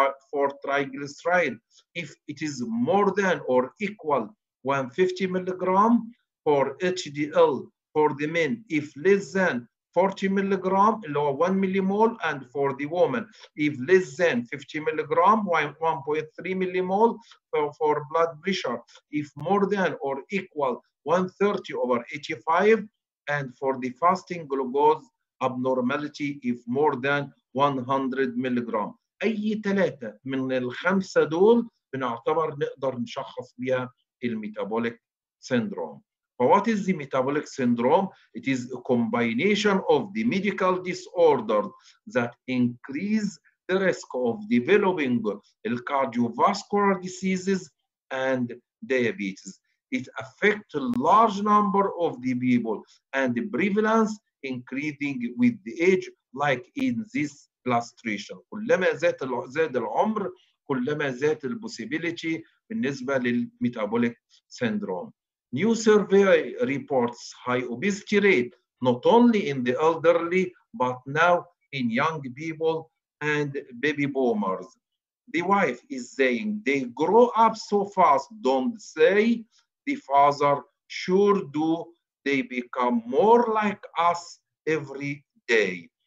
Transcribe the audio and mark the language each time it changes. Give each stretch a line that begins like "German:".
English: for triglyceride if it is more than or equal 150 milligram, for HDL for the men if less than 40 milligram or 1 millimole, and for the woman if less than 50 milligram 1.3 millimole, for blood pressure if more than or equal 130 over 85, and for the fasting glucose abnormality if more than 100 milligram.
Arabic: أي ثلاثة من الخمسة دول بنعتبر نقدر نشخص بها الميتابوليك سيندروم.
English: What is the metabolic syndrome? It is a combination of the medical disorders that increase the risk of developing cardiovascular diseases and diabetes. It affects a large number of the people and the prevalence increasing with the age, like in this illustration.
Arabic: كلما زاد العمر كلما زاد البوسيبيليتي بالنسبة للميتابوليك سيندروم.
English: New survey reports high obesity rate not only in the elderly but now in young people and baby boomers. The wife is saying they grow up so fast, don't they? The father sure do, they become more like us every day.